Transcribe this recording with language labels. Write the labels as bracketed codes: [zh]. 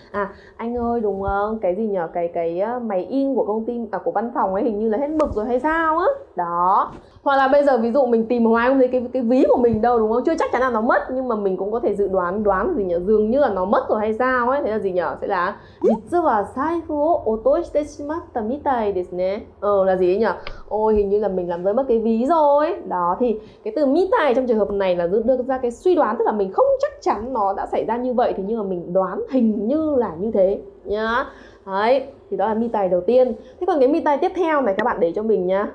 [vi] À, anh ơi đúng không? Cái gì nhỉ? Cái máy in của công ty à, của văn phòng ấy hình như là hết mực rồi hay sao á? Đó. Hoặc là bây giờ ví dụ mình tìm hoài không thấy cái ví của mình đâu đúng không? Chưa chắc chắn là nó mất nhưng mà mình cũng có thể dự đoán gì nhỉ? Dường như là nó mất rồi hay sao ấy? Thế là gì nhỉ? Sẽ là [ja] 実は財布を落としてしまったみたいですね. [vi] Ờ là gì ấy nhỉ? Ôi hình như là mình làm rơi mất cái ví rồi. Đó thì cái từ mitai trong trường hợp này là đưa ra cái suy đoán, tức là mình không chắc chắn nó đã xảy ra như vậy, thì nhưng mà mình đoán hình như là như thế nhá. Đấy, thì đó là mitai đầu tiên. Thế còn cái mitai tiếp theo này các bạn để cho mình nhá.